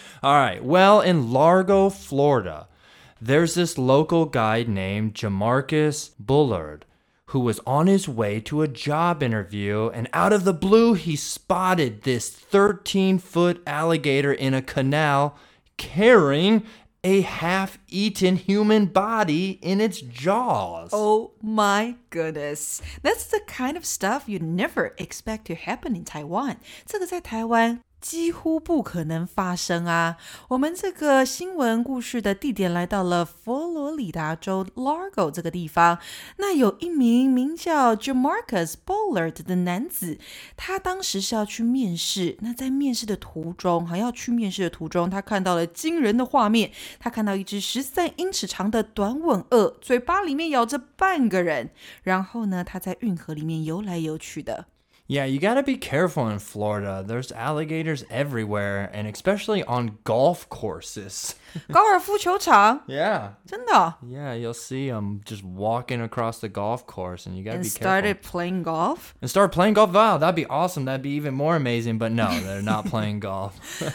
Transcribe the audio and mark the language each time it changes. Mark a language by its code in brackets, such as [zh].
[en] All right, well, in Largo, Florida, there's this local guy named Jamarcus Bullard who was on his way to a job interview, and out of the blue, he spotted this 13-foot alligator in a canal carrying... A half-eaten human body in its jaws. Oh my goodness. That's the kind of stuff you'd never expect to happen in Taiwan. [zh] 这个在台湾几乎不可能发生啊。我们这个新闻故事的地点来到了佛罗里达州 Largo 这个地方，那有一名名叫 Jamarcus Bollard 的男子，他当时是要去面试，那在面试的途中，好像要去面试的途中，他看到了惊人的画面，他看到一只13英尺长的短吻鳄，嘴巴里面咬着半个人，然后呢，他在运河里面游来游去的。 [en] Yeah, you gotta be careful in Florida. There's alligators everywhere, and especially on golf courses. [zh] 高尔夫球场? [en] Yeah. [zh] 真的? [en] Yeah, you'll see them just walking across the golf course, and you gotta and be careful. And started playing golf? And started playing golf? Wow, that'd be awesome. That'd be even more amazing, but no, they're not playing golf.